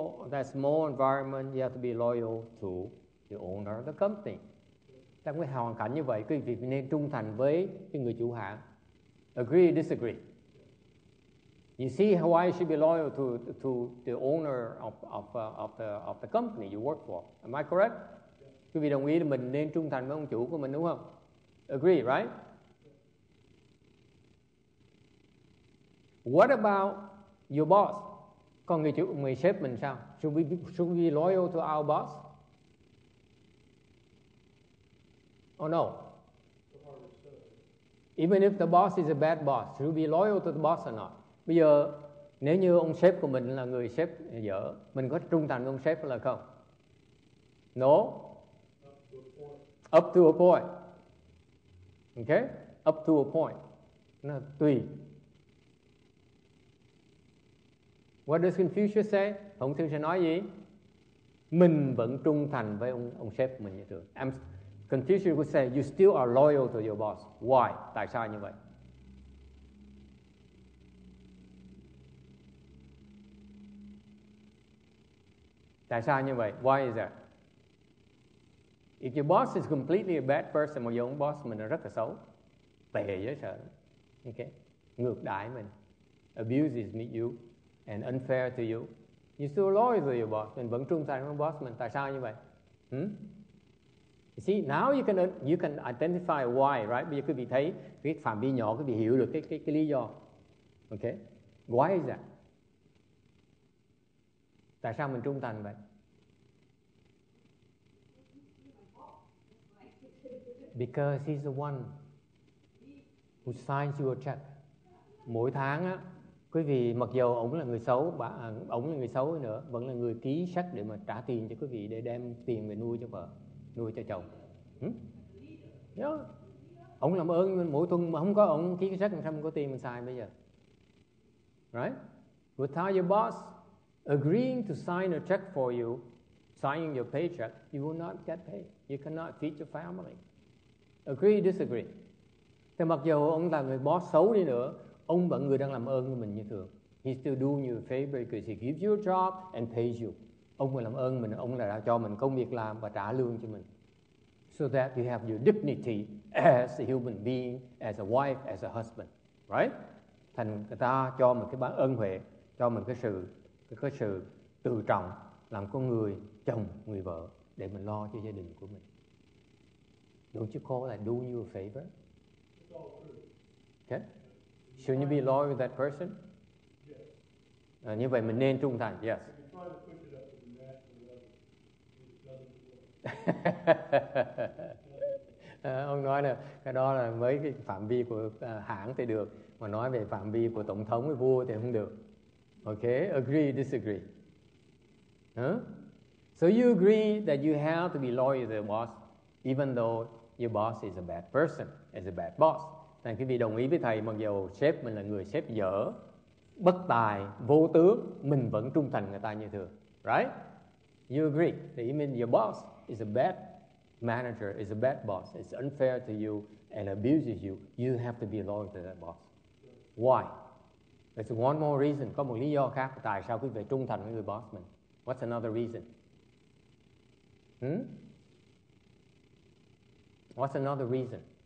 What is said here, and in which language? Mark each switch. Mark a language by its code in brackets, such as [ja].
[en] That small environment, you have to be loyal to the owner of the company. [vi] Trong cái hoàn cảnh như vậy, quý vị nên trung thành với cái người chủ hãng. [en] Agree or disagree? You see why you should be loyal to the owner of the company you work for. Am I correct? [vi] Quý vị đồng ý là mình nên trung thành với ông chủ của mình đúng không? [en] Agree, right? What about your boss? [vi] Còn người sếp mình sao? [en] Should we be loyal to our boss? Oh no. Even if the boss is a bad boss, should we be loyal to the boss or not? [vi] Bây giờ nếu như ông sếp của mình là người sếp dở, mình có trung thành với ông sếp là không? [en] No. Up to a point. Okay? Up to a point. [vi] Nó tùy. [en] What does Confucius say? [vi] Khổng Tử sẽ nói gì? Mình vẫn trung thành với ông sếp mình như thường. [en] Confucius would say, you still are loyal to your boss. Why? [vi] Tại sao như vậy? Tại sao như vậy? [en] Why is that? If your boss is completely a bad person, [vi] một ông boss mình là rất là xấu, tệ dễ sợ, okay, ngược đãi mình, [en] abuses you, and unfair to you, you still loyal to your boss, [vi] mình vẫn trung thành với boss mình. Tại sao như vậy? [en] You see, now you can identify why, right? [vi] Bây giờ quý vị thấy cái phạm vi nhỏ, quý vị hiểu được cái lý do, okay? [en] Why is that? [vi] Tại sao mình trung thành vậy? [en] Because he's the one who signs your check. [vi] Mỗi tháng á, quý vị mặc dù ông là người xấu nữa, vẫn là người ký sách để mà trả tiền cho quý vị để đem tiền về nuôi cho vợ, nuôi cho chồng. Yeah. Ông làm ơn mỗi tuần mà không có ông ký sách làm sao mình có tiền mình xài bây giờ. [en] Right? Without your boss agreeing to sign a check for you, signing your paycheck, you will not get paid. You cannot feed your family. Agree, disagree. [vi] Thì mặc dù ông là người boss xấu đi nữa, ông vẫn người đang làm ơn của mình như thường. [en] He still doing you a favor because he gives you a job and pays you. [vi] Ông vừa làm ơn mình, ông là đã cho mình công việc làm và trả lương cho mình. [en] So that you have your dignity as a human being, as a wife, as a husband. Right? [vi] Thành người ta cho mình cái bản ơn huệ, cho mình cái sự tự trọng làm con người, chồng, người vợ để mình lo cho gia đình của mình. [en] Don't you call that doing you a favor? Okay. Shouldn't you be loyal to that person? Yes. [vi] Như vậy mình nên trung thành. Yes. Ông nói là cái đó là mấy cái phạm vi của hãng thì được, mà nói về phạm vi của tổng thống với vua thì không được. [en] Okay, agree, disagree. Huh? So you agree that you have to be loyal to the boss, even though your boss is a bad person, is a bad boss. [vi] Thành quý vị đồng ý với thầy, mặc dù sếp mình là người sếp dở, bất tài, vô tướng, mình vẫn trung thành người ta như thường. [en] Right? You agree? That you mean your boss is a bad manager, is a bad boss. It's unfair to you and abuses you. You have to be loyal to that boss. Why? There's one more reason. [vi] Có một lý do khác tại sao quý vị phải trung thành với người boss mình. [en] What's another reason? What's another reason?